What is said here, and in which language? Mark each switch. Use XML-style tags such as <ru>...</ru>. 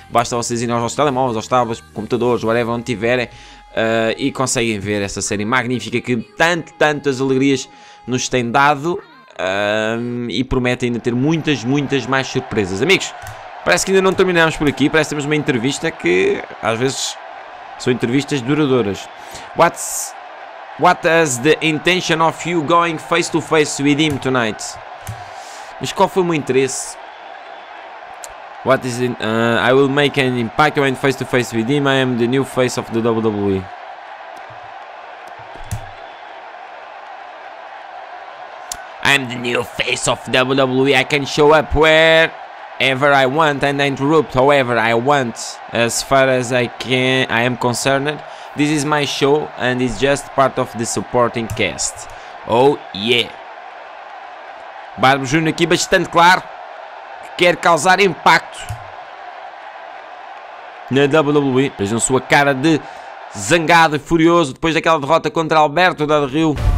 <pt>Basta vocês irem aos vossos telemóveis, aos tablets, computadores, whatever, onde tiverem, e conseguem ver essa série magnífica que tantas alegrias nos tem dado, e promete ainda ter muitas mais surpresas. Amigos, parece que ainda não terminamos por aqui, parece que temos uma entrevista que às vezes são entrevistas duradouras.</pt> <en>What is the intention of you going face to face with him tonight?</en> <pt>Mas qual foi o meu interesse?</pt> <en>What is it? I will make an impact when face to face with him. I am the new face of the WWE. I am the new face of WWE. I can show up wherever I want and interrupt however I want. As far as I can, I am concerned. This is my show and it's just part of the supporting cast. Oh yeah.</en> <pt>Bárbaro Júnior aqui bastante claro. Quer causar impacto na WWE, vejam sua cara de zangado e furioso depois daquela derrota contra Alberto da Rio.</pt>